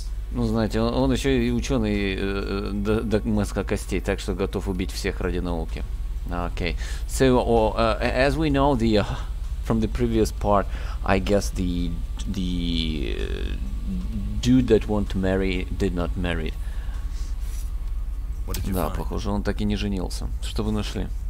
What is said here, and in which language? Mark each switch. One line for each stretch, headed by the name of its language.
Russian: Ну, знаете, он еще и ученый до мозга костей, так что готов убить всех ради науки. Окей. Okay.
English: So, as we know, from the previous part, I guess the dude that wanted to marry did not marry.
Russian: Да, похоже, он так и не женился. Что вы нашли?